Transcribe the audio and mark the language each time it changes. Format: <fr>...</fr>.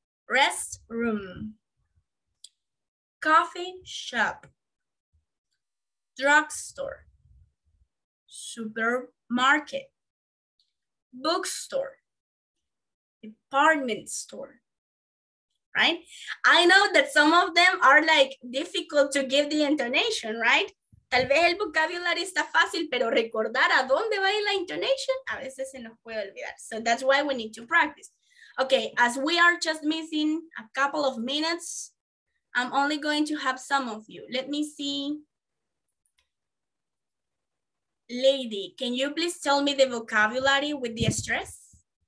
<en>Restroom. Coffee shop. Drugstore. Supermarket. Bookstore. Department store. Right? I know that some of them are like difficult to give the intonation, right?</en> <es>Tal vez el vocabulario está fácil, pero recordar a dónde va la intonation, a veces se nos puede olvidar.</es> <en>So that's why we need to practice. Okay, as we are just missing a couple of minutes, I'm only going to have some of you. Let me see. Lady, can you please tell me the vocabulary with the stress?</en>